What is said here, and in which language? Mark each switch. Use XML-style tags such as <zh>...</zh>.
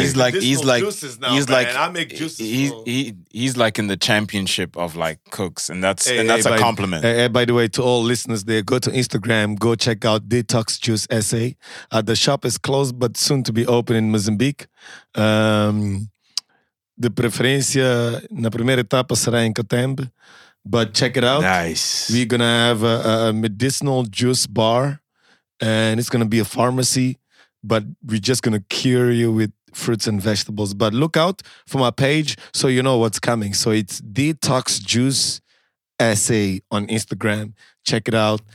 <en>He's like in the championship of like cooks, and that's a compliment. By the way, to all listeners there, go to Instagram, go check out Detox Juice Essay. The shop is closed, but soon to be open in Mozambique.</en> <pt>De preferência, na primeira etapa será em Catembe.</pt> <en>But check it out. Nice. We're going to have a medicinal juice bar. And it's going to be a pharmacy. But we're just going to cure you with fruits and vegetables. But look out for my page so you know what's coming. So it's Detox Juice Essay on Instagram. Check it out.</en>